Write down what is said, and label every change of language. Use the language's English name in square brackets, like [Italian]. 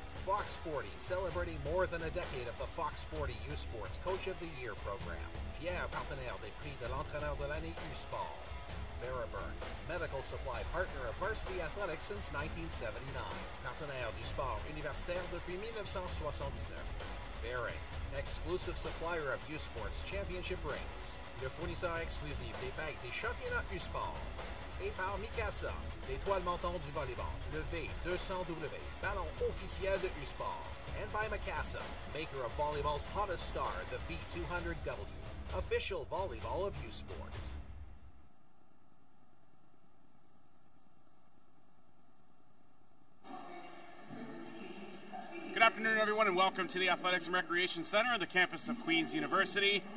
[English] Fox 40, celebrating more than a decade of the Fox 40 U Sports Coach of the Year program. [French] Pierre Partenaire des Prix de l'Entraîneur de l'année U Sport. [English] Veriburn, medical supply partner of varsity athletics since 1979. [French] Partenaire du sport universitaire depuis 1979. [English] Bearing, exclusive supplier of U-Sports Championship rings. [French] Le fournisseur exclusif des bagues des championnats U-Sport. Et par Mikasa, l'étoile montante du volleyball. Le V200W, ballon officiel de U-Sport. [English] And by Mikasa, maker of volleyball's hottest star, the V200W. Official volleyball of U-Sports. Good afternoon, everyone, and welcome to the Athletics and Recreation Center on the campus of Queen's University.